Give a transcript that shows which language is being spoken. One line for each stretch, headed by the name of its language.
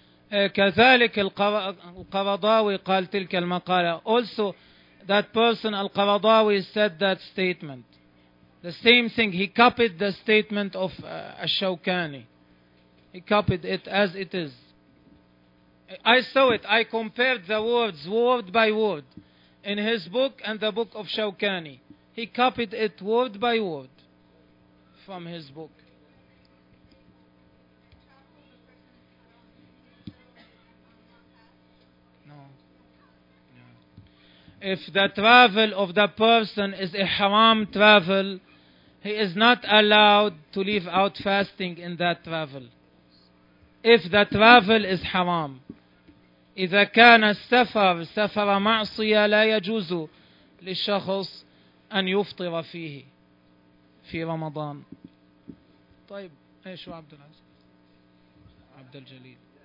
Arabic: كذلك القرضاوي قال تلك المقالة.
English: Also, that person القرضاوي said that statement. The same thing. He copied the statement of الشوكاني. He copied it as it is. I saw it. I compared the words word by word in his book and the book of الشوكاني. He copied it word by word from his book. If the travel of the person is ihram travel, he is not allowed to leave out fasting in that travel. If the travel is haram,
Arabic: إذا كان السفر سفر معصية لا يجوز للشخص أن يفطر فيه في رمضان. طيب إيش عبد العزيز عبد الجليل.